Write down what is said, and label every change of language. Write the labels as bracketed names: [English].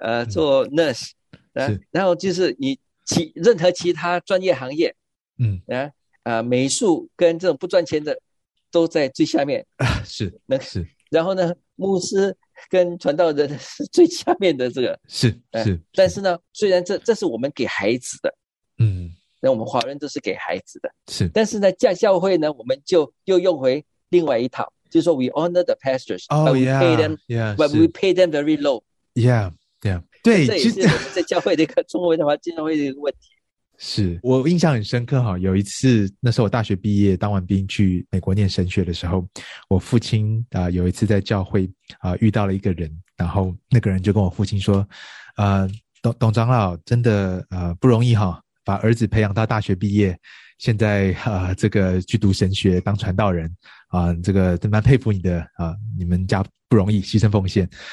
[Chinese] 做 nurse、然后就是你任何其他专业行业，美术跟这种不赚钱的都在最下面、是那是，然后呢牧师跟传道人是最下面的，这个是、但是呢虽然这是我们给孩子的，嗯，那我们华人都是给孩子的，是，但是呢教教会呢我们就又用回另外一套，就是说 [English] we honor the pastors、but we pay them but we pay them very low [Chinese] 对，这也是我们在教会的一个中文的话经常会的一个问题。是，我印象很深刻哈。有一次，那时候我大学毕业，当完兵去美国念神学的时候，我父亲有一次在教会遇到了一个人，然后那个人就跟我父亲说，董长老真的不容易哈，把儿子培养到大学毕业，现在这个去读神学当传道人这个真蛮佩服你的你们家不容易牺牲奉献。